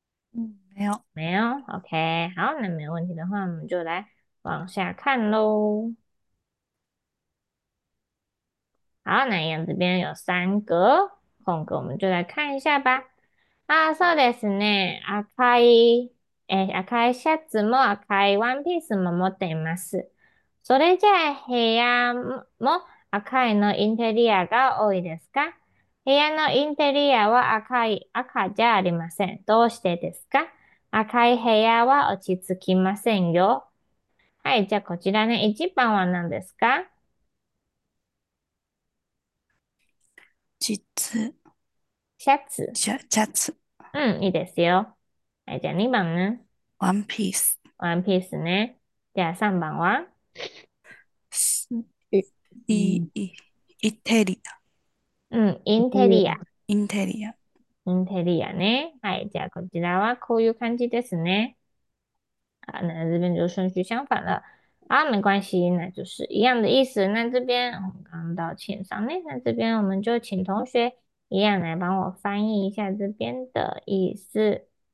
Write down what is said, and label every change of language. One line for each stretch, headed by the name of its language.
Chinese: 没有。没有，OK，好，那没有问题的话，我们就来往下看喽。好，那样这边有三个空格，我们就来看一下吧。
Japanese: 啊，そうですね。赤いシャツも赤いワンピースも持っています。それじゃあ、部屋も赤いのインテリアが多いですか？部屋のインテリアは赤じゃありません。どうしてですか？赤い部屋は落ち着きませんよ。はい、じゃあこちらね、一番は何ですか？シャツ。いいですよ。はい、じゃあ2番ね。ワンピース。ワンピースね。じゃあ3番は？インテリア。インテリアね。はい。じゃあ、こちらはこういう感じですね。
Chinese: あ、那这边就顺序相反了。啊，没关系，那就是一样的意思。那这边我刚到线上呢，那这边我们就请同学一样来帮我翻译一下这边的意思。